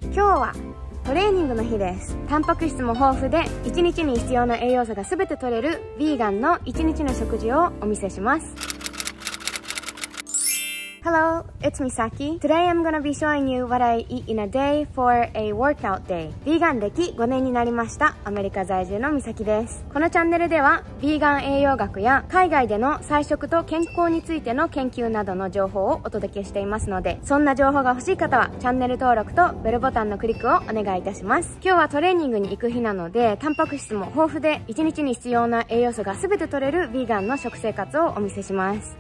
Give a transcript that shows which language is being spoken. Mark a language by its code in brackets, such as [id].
[ja] 今日はトレーニングの日です。タンパク質も豊富で1日に必要な栄養素が全て取れるヴィーガンの1日の食事をお見せします。 [en] Hello, it's Misaki. Today I'm going to be showing you what I eat in a day for a workout day. [ja] ヴィーガン歴5年になりました、アメリカ在住の Misaki です。このチャンネルではヴィーガン栄養学や海外での菜食と健康についての研究などの情報をお届けしていますので、そんな情報が欲しい方はチャンネル登録とベルボタンのクリックをお願いいたします。今日はトレーニングに行く日なので、タンパク質も豊富で1日に必要な栄養素が全て取れるヴィーガンの食生活をお見せします。